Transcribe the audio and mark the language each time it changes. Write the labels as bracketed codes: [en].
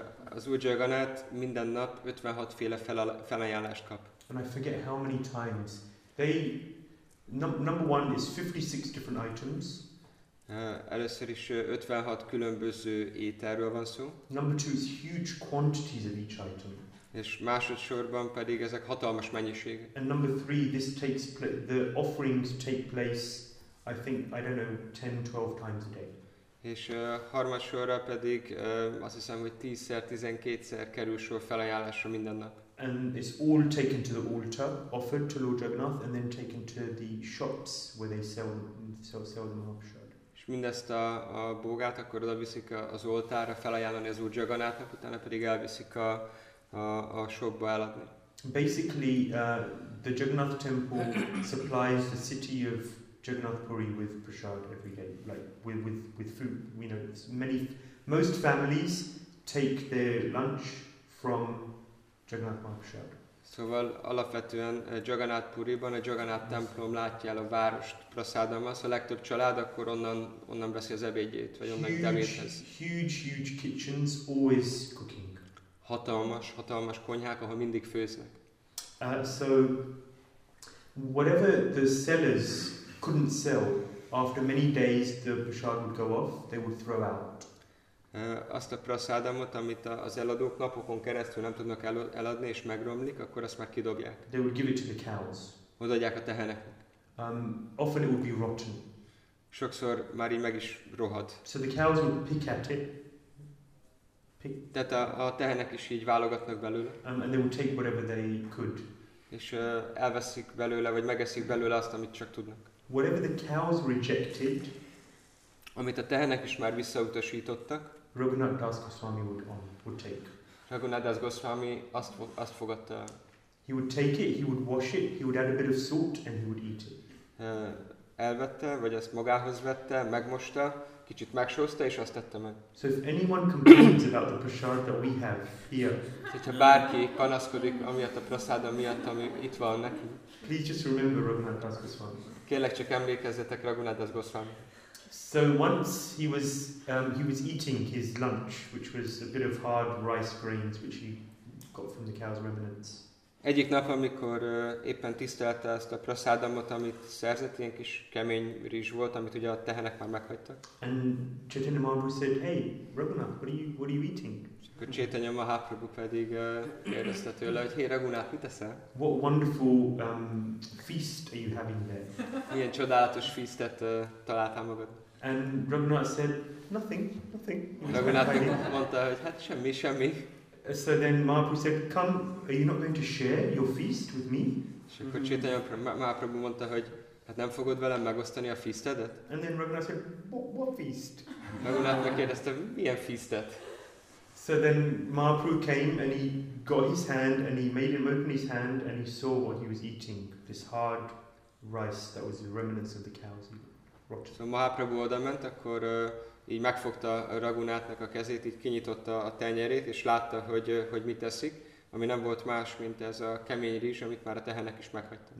[hu] Az Úr Jagannath minden nap 56 féle felajánlást kap. [en] And I forget how many times. They number one is 56 different items. [hu] Először is 56 különböző ételről van szó. [en] Number two is huge quantities of each item. [hu] És másodszorban pedig ezek hatalmas mennyiségek. [en] And number three, this takes the offerings take place, I think, I don't know, 10-12 times a day. [hu] És harmadszorra pedig azt hiszem, hogy 10-12-szer kerül sor felajánlásra minden nap. [en] And it's all taken to the altar, offered to Lord Jagannath, and then taken to the shops where they sell the Mahaprasad. [hu] Mindezt a bogát akkor oda viszik az oltárra felajánlani az Úr Jagannathnak, utána pedig elviszik a shopba eladni. [en] Basically, the Jagannath temple supplies the city of Jagannathpuri with prasad every day, like with food. We know most families take their lunch from Jagannath Mahaprasad. [hu] Szóval alapvetően Jagannath Puriban a Jagannath templom látja el a várost prasádammal, szóval a legtöbb család akkor onnan veszi az ebédjét, vagy onnan temethez. [en] Huge kitchens, always cooking. [hu] Hatalmas konyhák, ahol mindig főznek. [en] So whatever the sellers couldn't sell, after many days the prasad would go off, they would throw out. [hu] Azt a prasádamot, amit az eladók napokon keresztül nem tudnak eladni és megromlik, akkor azt már kidobják. [en] They would give it to the cows. [hu] Odaadják a teheneknek. [en] Often it would be rotten. [hu] Sokszor már így meg is rohad. [en] So the cows would pick at it. [hu] Tehát a tehenek is így válogatnak belőle. [en] And they would take whatever they could. [hu] és elveszik belőle, vagy megeszik belőle azt, amit csak tudnak. [en] Whatever the cows rejected, [hu] amit a tehenek is már visszautasítottak, [en] Raghunath Das Goswami would take. [hu] Raghunath Das Goswami azt fogadta. [en] He would take it, he would wash it, he would add a bit of salt, and he would eat it. [hu] Elvette, vagy ezt magához vette, megmosta, kicsit megsózta, és azt tette meg. [en] So if anyone complains about the prasad that we have here, [hu] ha bárki panaszkodik amiatt a prasadam miatt, ami itt van neki, [en] please just remember Raghunath Das Goswami. [hu] Kérlek csak emlékezzetek Raghunath Das Goswami. [en] So once he was eating his lunch, which was a bit of hard rice grains, which he got from the cow's remnants. [hu] Egyik nap, amikor éppen tisztelte ezt a prasadamot, amit szerzett, ilyen kis kemény rizs volt, amit ugye a tehenek már meghagytak. [en] And Chaitanya Mahaprabhu said, hey, Raghunath, what are you eating? [hu] Akkor Chaitanya Mahaprabhu pedig kérdezte tőle, hogy hey, Raghunath, mit eszel? [en] What wonderful feast are you having there? [hu] Milyen csodálatos feasztet találtál magad? [en] And Raghunath said, nothing. [hu] Raghunath mondta, hogy hát semmi. [en] So then Mahaprabhu said, come, are you not going to share your feast with me? [hu] És akkor Chaitanya Mahaprabhu mondta, hogy hát nem fogod velem megosztani a feastedet? [en] And then Raghunath said, what feast? [hu] Raghunath megkérdezte, milyen feastet? [en] So then Mahaprabhu came and he got his hand and he made him open his hand and he saw what he was eating, this hard rice that was the remnants of the cows. [hu] So Mahaprabhu odament, akkor így megfogta Raghunathnak a kezét, így kinyitotta a tenyerét, és látta, hogy mit teszik, ami nem volt más, mint ez a kemény rizs, amit már a tehenek is meghagyta.